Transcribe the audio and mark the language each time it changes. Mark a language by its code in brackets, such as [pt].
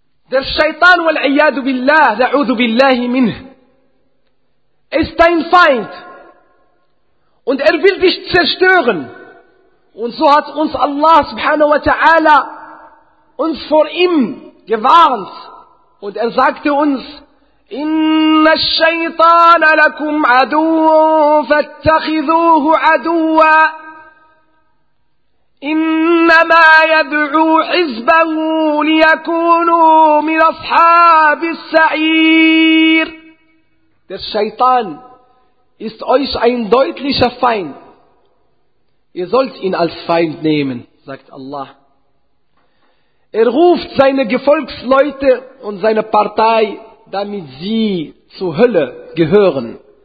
[de] Der Shaitan, [ar] wal-iyadu billah, la'udhu billahi minh, [de] ist dein Feind. Und er will dich zerstören. Und so hat uns Allah subhanahu wa ta'ala uns vor ihm gewarnt. Und er sagte uns, [ar] إن الشيطان لكم عدو فاتخذوه عدوا إنما يدعو حزبه ليكونوا من أصحاب السعير. [de] Der Shaitan ist euch ein deutlicher Feind. Ihr sollt ihn als Feind nehmen, sagt Allah. Er ruft seine Gefolgsleute und seine Partei, damit sie zur Hölle gehören.